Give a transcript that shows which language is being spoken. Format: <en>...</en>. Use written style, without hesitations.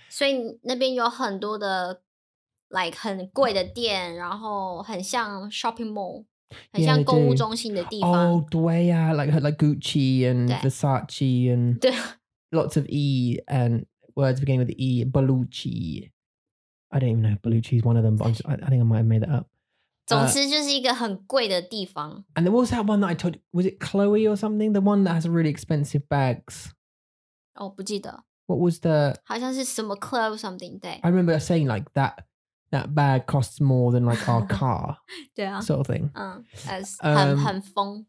<zh>所以那边有很多的, like, 很贵的店, 然后很像 shopping mall, 很像购物中心的地方。</zh> <en>Oh, 对啊, like Gucci and Versace and lots of E and words beginning with E, Balucci. I don't even know if Balucci is one of them, but I think I might have made that up.</en> <zh>总之就是一个很贵的地方。</zh> <en>And there was that one that I told you, was it Chloe or something? The one that has really expensive bags.</en> <zh>Oh, 不记得。</zh> <en>What was the...</en> <zh>好像是什么 Chloe something, 对。</zh> <en>I remember saying like that bag costs more than like our car.</en> <zh>对啊。</zh> <en>Sort of thing.</en> <zh>很疯。</zh>